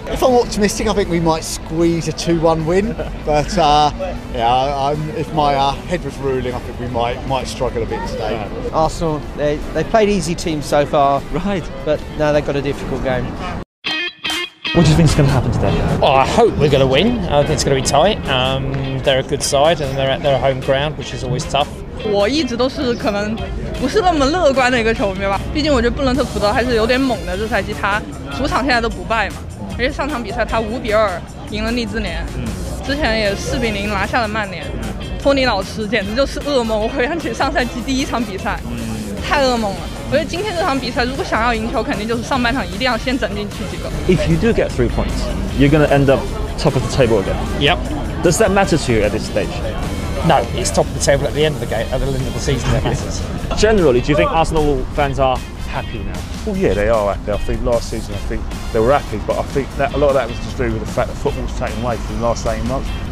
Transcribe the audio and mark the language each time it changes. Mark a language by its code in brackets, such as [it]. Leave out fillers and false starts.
[en] If I'm optimistic, I think we might squeeze a 2-1 win, but if my head was ruling, I think we might struggle a bit today. Right. Arsenal, they played easy teams so far, right? But now they've got a difficult game. What do you think is going to happen today? Well, I hope we're going to win. I think it's going to be tight. They're a good side and they're at their home ground, which is always tough. [zh] 我一直都是可能不是那么乐观的一个球迷吧。毕竟我觉得布伦特福德还是有点猛的，这赛季他主场现在都不败嘛。而且上场比赛他5-2赢了利兹联，之前也4-0拿下了曼联。托尼老师简直就是噩梦，我回想起上赛季第一场比赛，太噩梦了。我觉得今天这场比赛，如果想要赢球，肯定就是上半场一定要先整进去几个。 [en] If you do get 3 points, you're going to end up top of the table again. Yep. Does that matter to you at this stage? No, it's top of the table at the end of the game, at the end of the season that matters. Generally, do you think Arsenal fans are happy now? Well, yeah, they are happy. I think last season, I think they were happy, but I think that a lot of that was just due to the fact that football's taken away from the last 8 months.